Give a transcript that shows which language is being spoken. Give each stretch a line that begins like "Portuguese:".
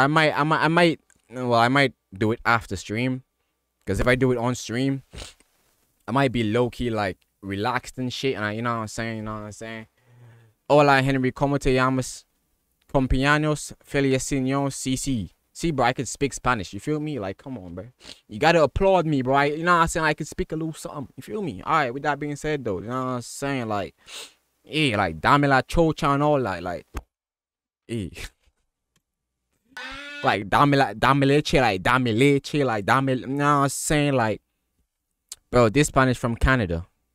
English: I might do it after stream. Because if I do it on stream, I might be low-key, like, relaxed and shit. And you know what I'm saying?
Spanish: Hola, Henry. ¿Cómo te llamas? Compañeros, felicitaciones, CC.
English: See, bro, I can speak Spanish. You feel me? Like, come on, bro. You got to applaud me, bro. You know what I'm saying? I can speak a little something. You feel me? All right, with that being said, though, you know what I'm saying? Like... Hey, like,
Spanish: dame la chocha
English: and all, like, hey. Like,
Spanish: dame leche,
English: you know what I'm saying, like, bro, this man is from Canada.